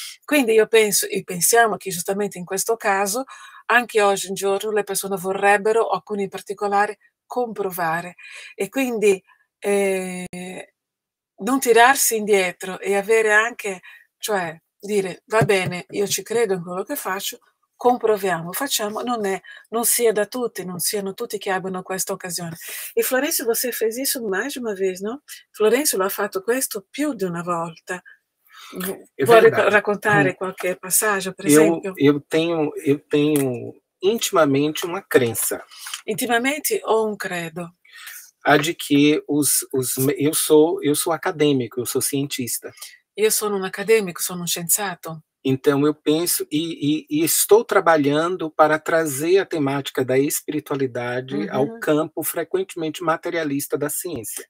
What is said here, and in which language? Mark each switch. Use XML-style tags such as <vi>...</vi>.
<it>Quindi io penso e pensiamo che giustamente in questo caso anche oggi in giorno le persone vorrebbero, alcuni in particolare, comprovare e quindi non tirarsi indietro e avere anche, cioè dire va bene, io ci credo in quello che faccio. Comproviamo, facciamo, non sia da tutti, non siano tutti che abbiano questa occasione.</it> <pt>E Florencio, você fez isso mais de uma vez, no?</pt> <it>Florencio l'ha fatto questo più di una volta.</it> <pt>É</pt> <it>Vuole</it> <pt>verdade.</pt> <it>raccontare qualche passaggio, per</it> <pt>Eu</pt> <it>esempio?</it> <pt>tenho intimamente uma crença, Intimamente ou um credo? a de que os eu sou acadêmico, eu sou cientista.</pt> <it>Io sono un accademico, sono un scienziato.</it> <pt>Então eu penso e estou trabalhando para trazer a temática da espiritualidade ao campo frequentemente materialista da ciência.</pt>